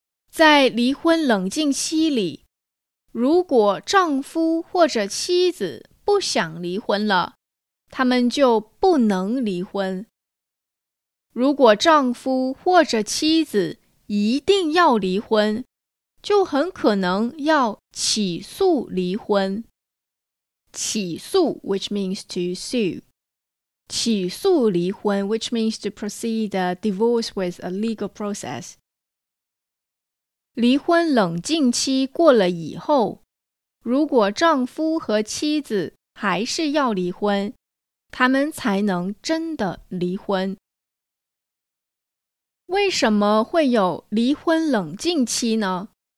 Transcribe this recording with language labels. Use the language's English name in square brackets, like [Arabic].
[Chinese] 在离婚冷静期里，如果丈夫或者妻子不想离婚了，他们就不能离婚。如果丈夫或者妻子一定要离婚，就很可能要起诉离婚。 [English] 起诉 which means to sue. 起诉离婚 which means to proceed a divorce with a legal process. [Chinese] 离婚冷静期过了以后，如果丈夫和妻子还是要离婚，他们才能真的离婚。为什么会有离婚冷静期呢？